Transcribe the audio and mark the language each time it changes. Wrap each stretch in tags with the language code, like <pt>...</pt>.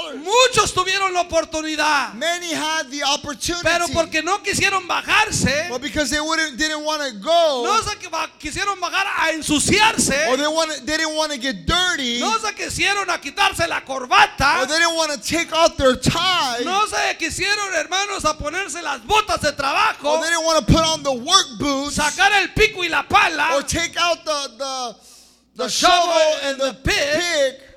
<es>Muchos tuvieron la oportunidad.</es> <en>Many had the opportunity.</en> <es>Pero porque no quisieron bajarse.</es> <en>But because they didn't want to go.</en> <es>No se quisieron bajar a ensuciarse.</es> <en>Or they didn't want to get dirty.</en> <es>No se quisieron a quitarse la corbata.</es> <en>Or they didn't want to take off their tie.</en> <es>No se quisieron, hermanos, a ponerse las botas de trabajo.</es> <en>Or they didn't want to put on the work boots.</en> <es>Sacar el pico y la pala.</es> <en>Or take out the shovel and the pick</en>